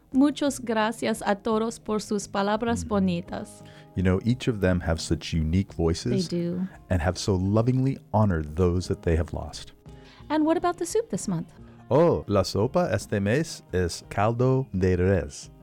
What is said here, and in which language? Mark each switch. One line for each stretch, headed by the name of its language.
Spanish: Muchas gracias a todos por sus palabras bonitas.
English: You know, each of them have such unique voices. They do. And have so lovingly honored those that they have lost. And what about the soup this month?
Spanish: Oh, la sopa este mes es caldo de res.